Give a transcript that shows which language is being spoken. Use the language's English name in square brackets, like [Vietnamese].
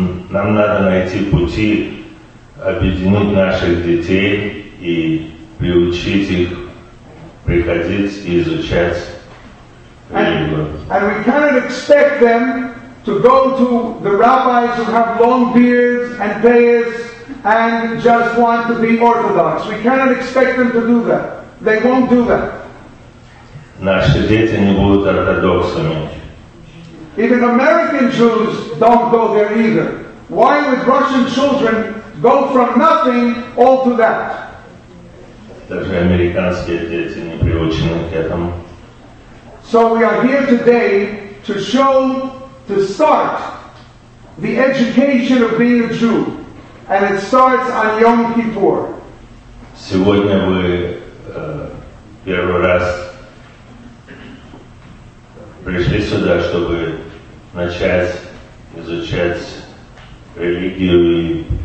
[Russian] Нам надо найти пути объединить наших детей и приучить их приходить и изучать [English] Hebrew. And we cannot expect them to go to the rabbis who have long beards and payas and just want to be orthodox. We cannot expect them to do that. They won't do that. [Russian] Наши дети не будут ортодоксами. [English] Even American Jews don't go there either. Why would Russian children go from nothing all to that? [Russian] Даже американские дети не приучены к этому. [English] So we are here today to show, to start the education of being a Jew, and it starts on Yom Kippur. [Russian] Сегодня вы первый раз пришли сюда, чтобы начать изучать религию.